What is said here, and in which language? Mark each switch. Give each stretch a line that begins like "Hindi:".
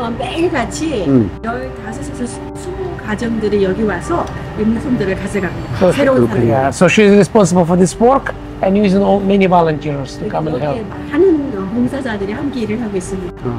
Korean: 매일같이 15가정들이 여기 와서 물품들을 가져갑니다. 새로운 사람.
English: So she is responsible for this work and using all many volunteers to come and help.
Korean: 많은 봉사자들이 함께 일을 하고 있습니다.